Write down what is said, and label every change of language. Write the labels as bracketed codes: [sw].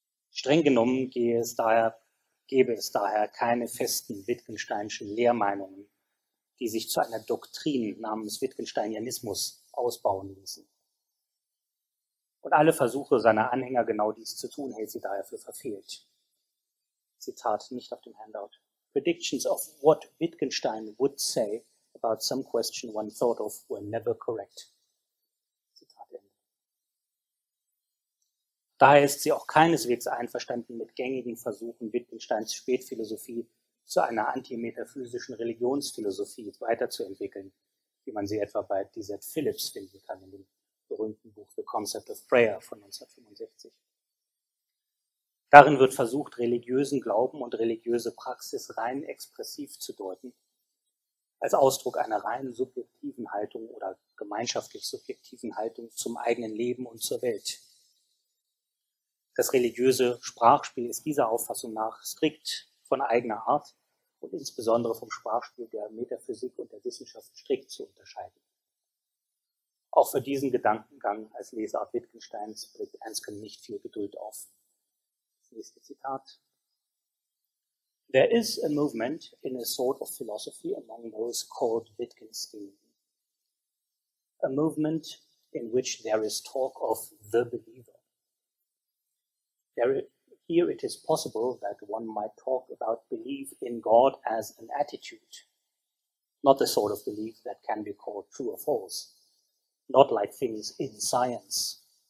[de] Streng genommen gäbe es daher keine festen wittgensteinschen Lehrmeinungen, die sich zu einer Doktrin namens Wittgensteinianismus ausbauen ließen. Und alle Versuche seiner Anhänger, genau dies zu tun, hält sie daher für verfehlt. Zitat nicht auf dem Handout. [en] Predictions of what Wittgenstein would say about some question one thought of were never correct. [de] Zitat Ende. Daher ist sie auch keineswegs einverstanden mit gängigen Versuchen, Wittgensteins Spätphilosophie zu einer antimetaphysischen Religionsphilosophie weiterzuentwickeln, wie man sie etwa bei Dezette Phillips finden kann in dem berühmten Buch The Concept of Prayer von 1965. Darin wird versucht, religiösen Glauben und religiöse Praxis rein expressiv zu deuten, als Ausdruck einer rein subjektiven Haltung oder gemeinschaftlich subjektiven Haltung zum eigenen Leben und zur Welt. Das religiöse Sprachspiel ist dieser Auffassung nach strikt von eigener Art und insbesondere vom Sprachspiel der Metaphysik und der Wissenschaft strikt zu unterscheiden. Auch für diesen Gedankengang als Lesart Wittgensteins bringt Anscombe nicht viel Geduld auf. Nächste Zitat. [en] There is a movement in a sort of philosophy among those called Wittgenstein. A movement in which there is talk of the believer. Here it is possible that one might talk about belief in God as an attitude, not the sort of belief that can be called true or false, not like things in science.